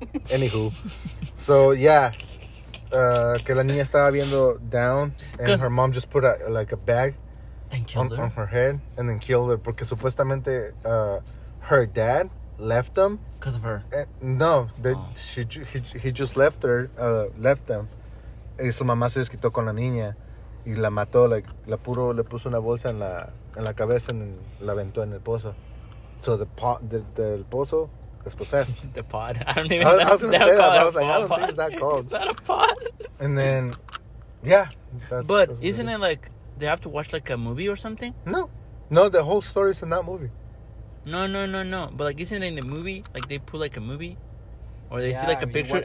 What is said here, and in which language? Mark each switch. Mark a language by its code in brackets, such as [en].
[en] Anywho, so yeah, [es] que la niña estaba viendo [en] down and her mom just put a bag and killed on her head and then killed her because supuestamente her dad left them because of her. He just left them. [es] Y su mamá se desquitó con la niña y la mató, like le puso una bolsa en la cabeza y la aventó en el pozo. [en] So the pot, [es] del pozo. [en] It's possessed. The pod. I don't even know. I was gonna say that. I was like, I don't think it's that cold. Is that a pod? And then, yeah. That's isn't it like they have to watch like a movie or something? No. No, the whole story is in that movie. No. But like, isn't it in the movie? Like, they put like a movie? Or they see like a picture?